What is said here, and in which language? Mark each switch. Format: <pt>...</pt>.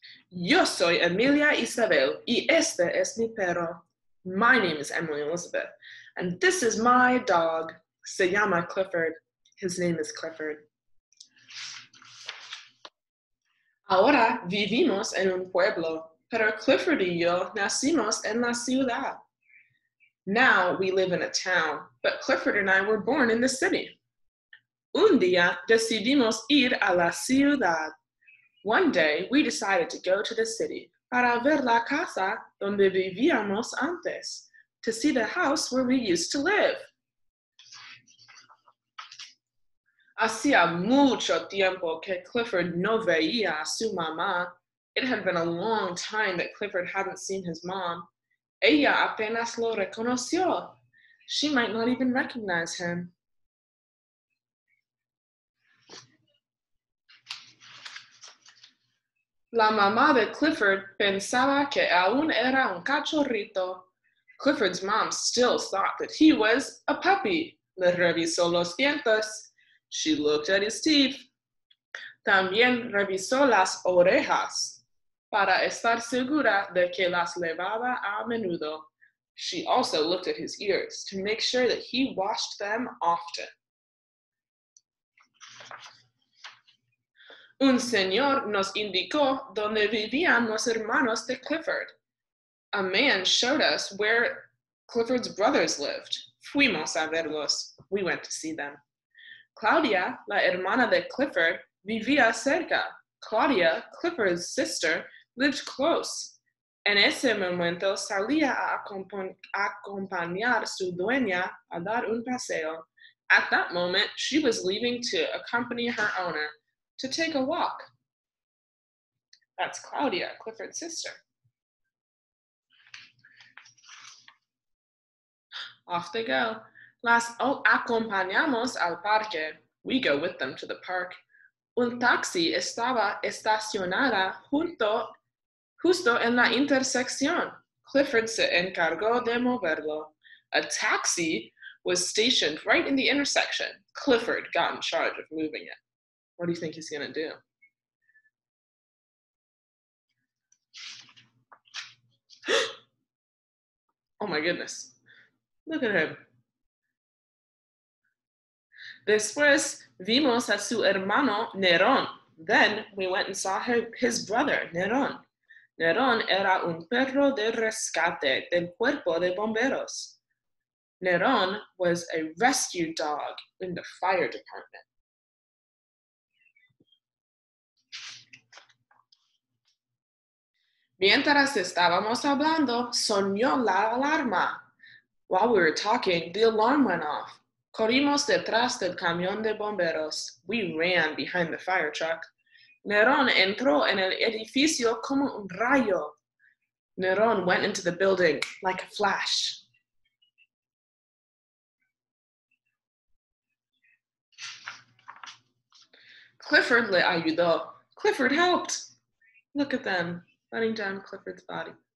<es>Yo soy Emilia Isabel, y este es mi perro.</es> <en>My name is Emily Elizabeth, and this is my dog.</en> <es>Se llama Clifford.</es> <en>His name is Clifford.</en> <es>Ahora vivimos en un pueblo, pero Clifford y yo nacimos en la ciudad.</es> <en>Now we live in a town, but Clifford and I were born in the city.</en> <es>Un día decidimos ir a la ciudad.</es> <en>One day we decided to go to the city</en> <es>para ver la casa donde vivíamos antes,</es> <en>to see the house where we used to live.</en> <es>Hacía mucho tiempo que Clifford no veía a su mamá.</es> <en>It had been a long time that Clifford hadn't seen his mom.</en> <es>Ella apenas lo reconoció.</es> <en>She might not even recognize him.</en> <es>La mamá de Clifford pensaba que aún era un cachorrito.</es> <en>Clifford's mom still thought that he was a puppy.</en> <es>Le revisó los dientes.</es> <en>She looked at his teeth.</en> <es>También revisó las orejas para estar segura de que las lavaba a menudo.</es> <en>She also looked at his ears to make sure that he washed them often.</en> <es>Un señor nos indicó donde vivían los hermanos de Clifford.</es> <en>A man showed us where Clifford's brothers lived.</en> <es>Fuimos a verlos.</es> <en>We went to see them.</en> <es>Claudia, la hermana de Clifford, vivía cerca.</es> <en>Claudia, Clifford's sister, lived close.</en> <es>En ese momento salía a acompañar su dueña a dar un paseo.</es> <en>At that moment, she was leaving to accompany her owner to take a walk. That's Claudia, Clifford's sister. Off they go.</en> <es>Las acompañamos al parque.</es> <en>We go with them to the park.</en> <es>Un taxi estaba estacionada justo en la intersección. Clifford se encargó de moverlo.</es> <en>A taxi was stationed right in the intersection. Clifford got in charge of moving it. What do you think he's gonna do? Oh my goodness. Look at him.</en> <es>Después vimos a su hermano Nerón.</es> <en>Then we went and saw his brother, Nerón.</en> <es>Nerón era un perro de rescate del cuerpo de bomberos.</es> <en>Nerón was a rescue dog in the fire department.</en> <es>Mientras estábamos hablando, sonó la alarma.</es> <en>While we were talking, the alarm went off.</en> <es>Corrimos detrás del camión de bomberos.</es> <en>We ran behind the fire truck.</en> <es>Nerón entró en el edificio como un rayo.</es> <en>Nerón went into the building like a flash.</en> <es>Clifford le ayudó.</es> <en>Clifford helped. Look at them, running down Clifford's body.</en>